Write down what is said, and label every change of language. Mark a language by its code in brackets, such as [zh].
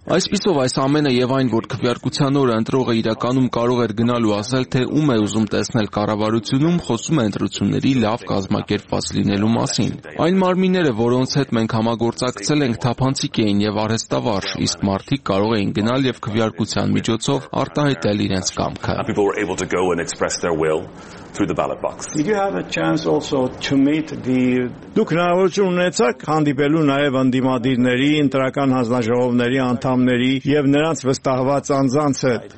[hy] Այս պիսով այս ամենը եւ այն, որ քվեարկության օրը ընտրողը իրականում կարող էր գնալ ու ասել, թե ում է ուզում տեսնել կառավարությունում, խոսում է ընտրությունների լավ կազմակերպված լինելու մասին։ Այն մարմինները, որոնց հետ մենք համագործակցել ենք, թափանցիկ էին եւ արհեստավարժ, իսկ մարդիկ կարող էին գնալ եւ քվեարկության միջոցով արտահայտել իրենց կամքը։ [en] People were able to go and express their will through the ballot box. Did you have a chance also to meet the [hy] Դուք հնարավորություն ունեցաք հանդիպելու նաև անդիմադիրների, ընտրական հանձնաժողովների անդամների եւ նրանց վստահված անձանց հետ?